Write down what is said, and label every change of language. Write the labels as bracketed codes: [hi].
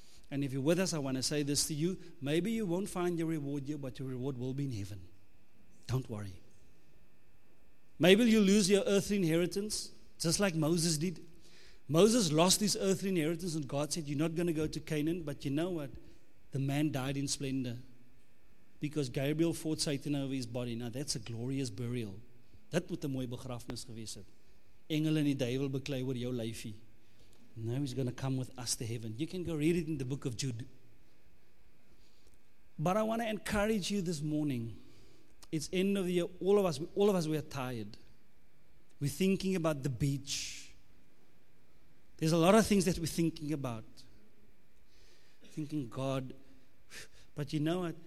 [en] And if you're with us, I want to say this to you. Maybe you won't find your reward here, but your reward will be in heaven. Don't worry. Maybe you'll lose your earthly inheritance, just like Moses did. Moses lost his earthly inheritance, and God said, you're not going to go to Canaan, but you know what? The man died in splendor. Because Gabriel fought Satan over his body. Now that's a glorious burial. [af] Dit moet 'n mooi begrafnis gewees het. Engel en die duivel beklei oor jou lyfie. [en] Now he's going to come with us to heaven. You can go read it in the book of Jude. But I want to encourage you this morning. It's end of the year. All of us, we are tired. We're thinking about the beach. There's a lot of things that we're thinking about. Thinking, God, but you know what?